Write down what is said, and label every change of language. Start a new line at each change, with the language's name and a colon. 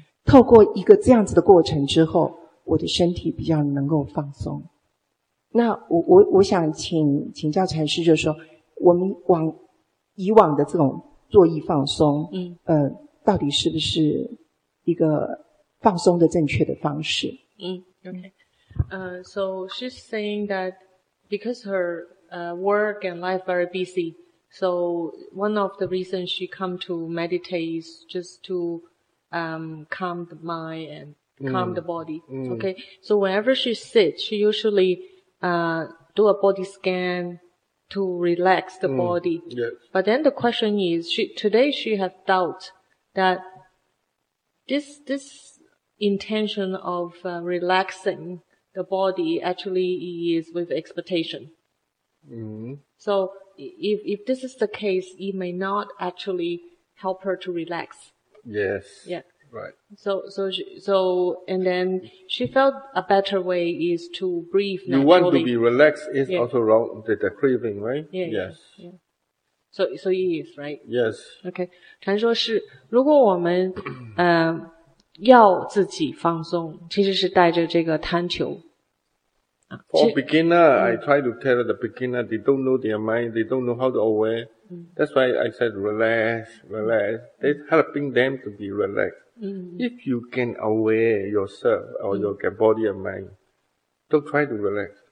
Chinese: 透过一个这样子的过程之后，我的身体比较能够放松。那我想请教禅师，就是说我们往以往的这种坐椅放松，到底是不是一个放松的正确的方式。嗯， OK。
English: So she's saying that because her work and life are busy, so one of the reasons she come to meditate is just to calm the mind and calm the body. Mm. Okay, so whenever she sits, she usually do a body scan to relax the body. Yes. But then the question is, today she has doubt that this intention of relaxing the body actually is with expectation. Mm-hmm. So if this is the case, it may not actually help her to relax. Yes. Yeah. Right. So she felt a better way is to breathe naturally. You want to be relaxed is also wrong, the craving, right? Yeah, yes. Yeah. So it is, right? Yes. Okay.
Chinese: 传说是如果我们要自己放松，其实是带着这个贪求。
English: For beginner, I try to tell the beginner, they don't know their mind, they don't know how to aware. That's why I said relax, relax. That's helping them to be relaxed. If you can aware yourself or your body and mind, don't try to relax.